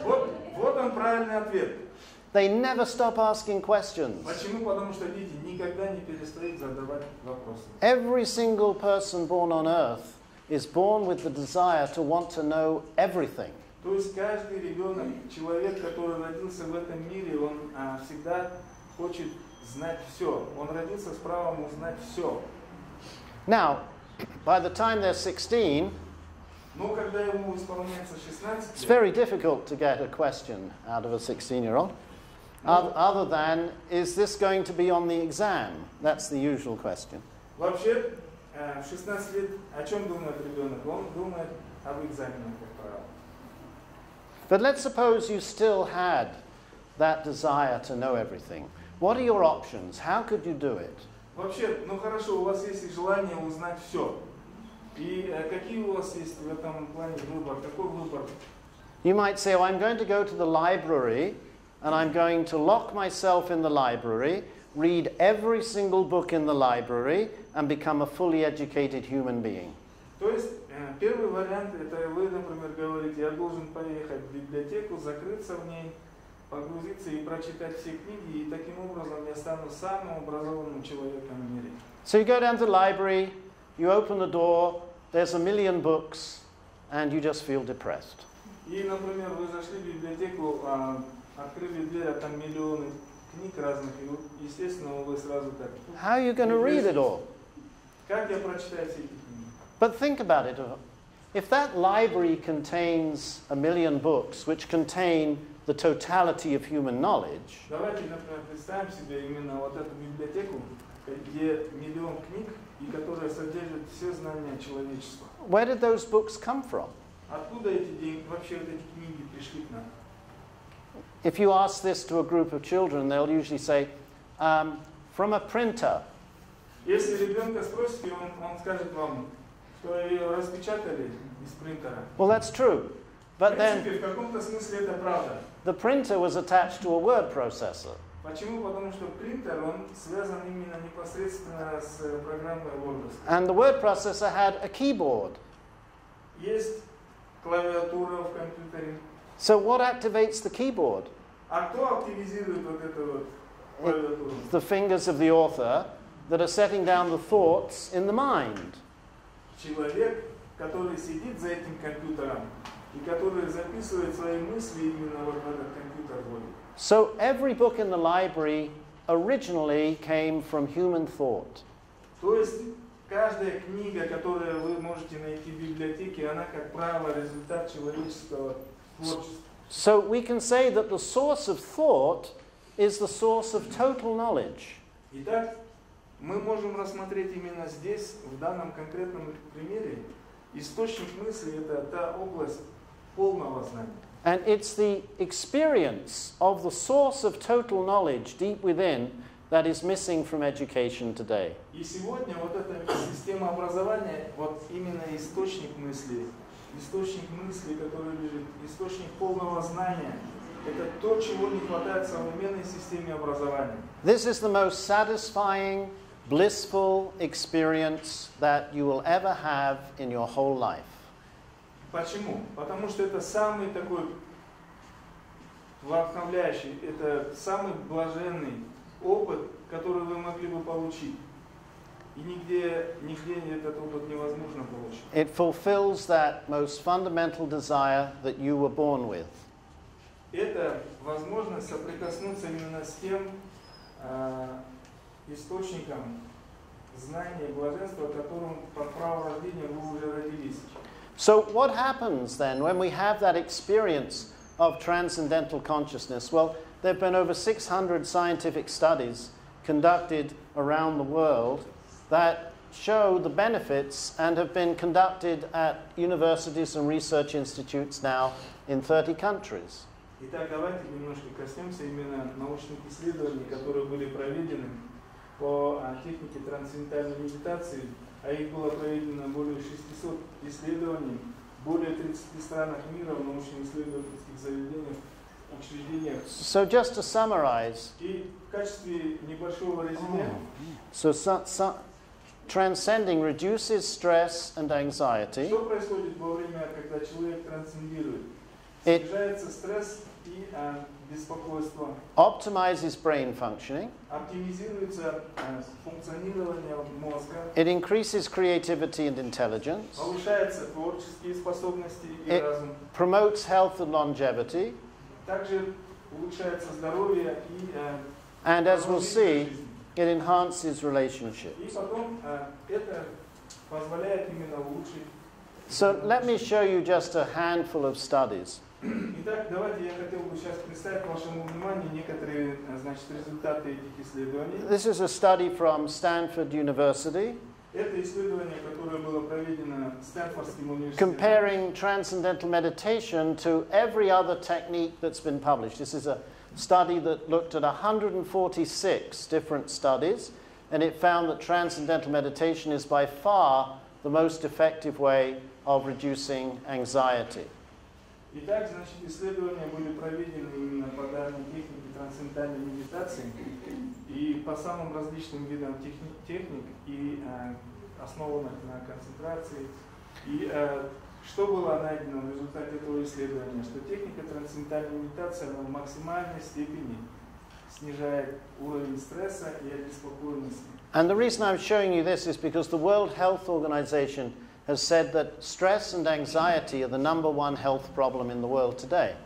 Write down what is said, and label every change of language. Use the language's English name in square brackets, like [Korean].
[Russian] Вот он правильный ответ. [English] They never stop asking questions. [Russian] Почему? Потому что дети никогда не перестают задавать вопросы. [English] Every single person born on earth is born with the desire to want to know everything. [Russian] То есть каждый ребенок, человек, который родился в этом мире, он всегда хочет знать все. Он родился с правом узнать все. [English] Now, by the time they're 16, [Russian] но когда ему исполняется 16, [English] it's very difficult to get a question out of a 16-year-old. Other than, is this going to be on the exam? That's the usual question. [Russian] Вообще, в 16 лет, о чем думает ребенок? Он думает об экзамене, как правило. [English] But let's suppose you still had that desire to know everything. What are your options? How could you do it? [Russian] Вообще, ну хорошо, у вас есть желание узнать все. И какие у вас есть в этом плане выбор? Какой выбор? [English] You might say, well, I'm going to go to the library, and I'm going to lock myself in the library, read every single book in the library, and become a fully educated human being. [Russian] То есть первый вариант это вы, например, говорите, я должен поехать в библиотеку, закрыться в ней, погрузиться и прочитать все книги, и таким образом я стану самым образованным человеком в мире. [English] So you go down to the library, you open the door, there's a million books, and you just feel depressed. [Russian] И, например, вы зашли в библиотеку. Открыли дверь, а там миллионы книг разных, и естественно, вы сразу так. [English] How are you going to read it all? [Russian] Как я прочитаю все эти книги? [English] But think about it. If that library contains a million books, which contain the totality of human knowledge. [Russian] Давайте, например, представим себе именно вот эту библиотеку, где миллион книг, и которая содержит все знания человечества. [English] Where did those books come from? [Russian] Откуда эти деньги, вообще эти книги пришли к нам? [English] If you ask this to a group of children, they'll usually say, from a printer. [Russian] Если ребенка спросите, он скажет вам, что ее распечатали из принтера. [English] Well, that's true. But then, [Russian] в каком-то смысле это правда. [English] The printer was attached to a word processor. [Russian] Почему? Потому что принтер, он связан именно непосредственно с программой Word. [English] And the word processor had a keyboard. [Russian] Есть клавиатура в компьютере. [English] So what activates the keyboard? [Russian] А кто активизирует вот это вот? [English] It's the fingers of the author that are setting down the thoughts in the mind. [Russian] Человек, который сидит за этим компьютером и который записывает свои мысли именно вот в этот компьютер. [English] So every book in the library originally came from human thought. [Russian] То есть каждая книга, которую вы можете найти в библиотеке, она, как правило, результат человеческого. [English] So we can say that the source of thought is the source of total knowledge. [Russian] Итак, мы можем рассмотреть именно здесь, в данном конкретном примере, источник мысли – это та область полного знания. [English] And it's the experience of the source of total knowledge deep within that is missing from education today. [Russian] И сегодня вот эта система образования, вот именно источник мысли. Источник мысли, который лежит, источник полного знания, это то, чего не хватает в современной системе образования. [English] This is the most satisfying, blissful experience that you will ever have in your whole life. [Russian] Почему? Потому что это самый такой вдохновляющий, это самый блаженный опыт, который вы могли бы получить. И нигде этот опыт невозможно получить. [English] It fulfills that most fundamental desire that you were born with. [Russian] это возможность соприкоснуться именно с тем источником знания и блаженства, которым по праву рождения вы уже родились. [English] So what happens then when we have that experience of transcendental consciousness? Well, there have been over 600 scientific studies conducted around the world that show the benefits and have been conducted at universities and research institutes now in 30 countries. [Russian] Итак, давайте немножко коснемся именно научных исследований, которые были проведены по технике трансцендентальной медитации. А их было проведено более 600 исследований в более 30 странах мира в научно-исследовательских заведениях, учреждениях. [English] So just to summarize. [Russian] И в качестве небольшого резюме. [English] So transcending reduces stress and anxiety. [Russian] Что происходит во время, когда человек трансцендирует? Снижается стресс и беспокойство. [English] Optimizes brain functioning. [Russian] Оптимизируется функционирование мозга. [English] It increases creativity and intelligence. [Russian] Повышаются творческие способности и разум. [English] It promotes health and longevity. [Russian] Также улучшается здоровье и [English] And as we'll see, it enhances relationships. [Russian] И потом это позволяет именно улучшить. [English] So let me show you just a handful of studies. [Russian] Итак, давайте я хотел бы сейчас представить вашему вниманию некоторые, значит, результаты этих исследований. [English] This is a study from Stanford University. [Russian] Это исследование, которое было проведено Стэнфордским университетом. [English] Comparing transcendental meditation to every other technique that's been published. This is a study that looked at 146 different studies, and it found that transcendental meditation is by far the most effective way of reducing anxiety. [Russian] Итак, значит, исследования были проведены именно по данной технике трансцендентальной медитации и по самым различным видам техник и основанных на концентрации. И что было найдено в результате этого исследования? Что техника трансцендентальной медитации в максимальной степени снижает уровень стресса и обеспокоенности. [English] And the reason I'm showing you this is because the World Health Organization has said that stress and anxiety are the number one health problem in the world today.